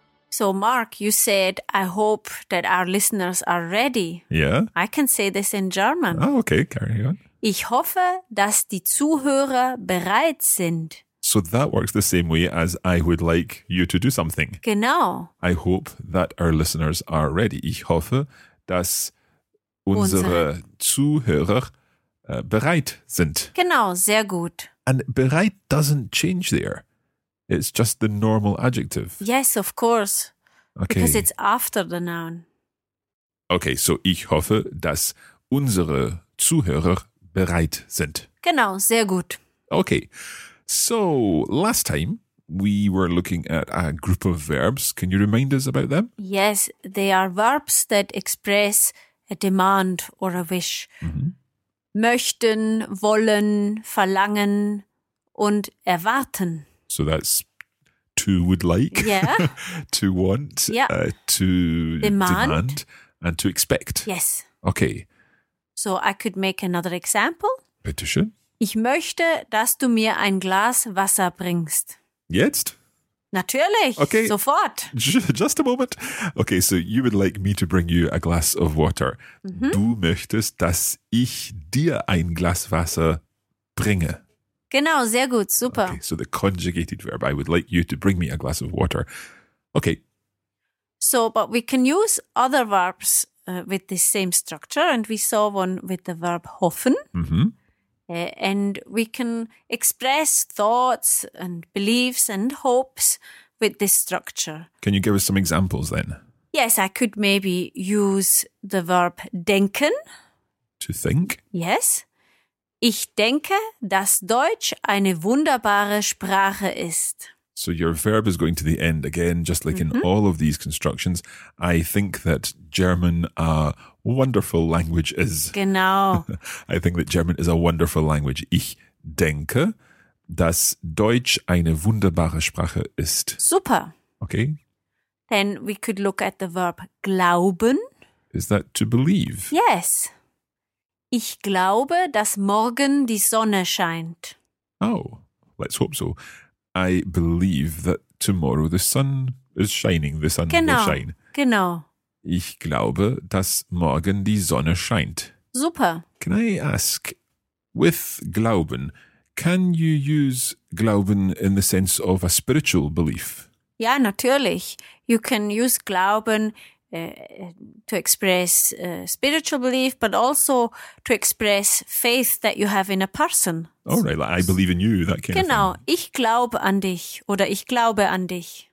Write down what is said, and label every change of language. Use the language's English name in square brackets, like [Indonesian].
[English] So, Mark, you said, I hope that our listeners are ready. Yeah. I can say this in German. Oh, okay, carry on. [German] Ich hoffe, dass die Zuhörer bereit sind. [English] So that works the same way as I would like you to do something. [German] Genau. [English] I hope that our listeners are ready. [German] Ich hoffe, dass unsere Zuhörer bereit sind. Genau, sehr gut. [English] And bereit doesn't change there. It's just the normal adjective. Yes, of course. Okay. Because it's after the noun. Okay, so [German] ich hoffe, dass unsere Zuhörer bereit sind. Genau, sehr gut. [English] Okay, so last time we were looking at a group of verbs. Can you remind us about them? Yes, they are verbs that express a demand or a wish. Mm-hmm. [German] Möchten, wollen, verlangen und erwarten. [English] So that's to would like, yeah. To want, yeah. To demand, and to expect. Yes. Okay. So I could make another example. [German] Bitte schön. Ich möchte, dass du mir ein Glas Wasser bringst. Jetzt? Natürlich. Okay. Sofort. [English] Just a moment. Okay, so you would like me to bring you a glass of water. Mm-hmm. [German] Du möchtest, dass ich dir ein Glas Wasser bringe. Genau, sehr gut, super. [English] Okay, so the conjugated verb, I would like you to bring me a glass of water. Okay. So, but we can use other verbs with the same structure, and we saw one with the verb hoffen. Mm-hmm. And we can express thoughts and beliefs and hopes with this structure. Can you give us some examples then? Yes, I could maybe use the verb denken. To think? Yes. [German] Ich denke, dass Deutsch eine wunderbare Sprache ist. [English] So your verb is going to the end again, just like mm-hmm. in all of these constructions. I think that German a wonderful language is. Genau. I think that German is a wonderful language. [German] Ich denke, dass Deutsch eine wunderbare Sprache ist. Super. [English] Okay. Then we could look at the verb glauben. Is that to believe? Yes. [German] Ich glaube, dass morgen die Sonne scheint. [English] Oh, let's hope so. I believe that tomorrow the sun is shining. The sun [German] genau, [English] will shine. [German] Genau. Ich glaube, dass morgen die Sonne scheint. Super. [English] Can I ask, with glauben, can you use glauben in the sense of a spiritual belief? [German] Ja, natürlich. [English] You can use glauben to express spiritual belief, but also to express faith that you have in a person. Oh, right, like I believe in you, that kind genau. Of thing. [German] Genau, ich glaube an dich, oder ich glaube an dich.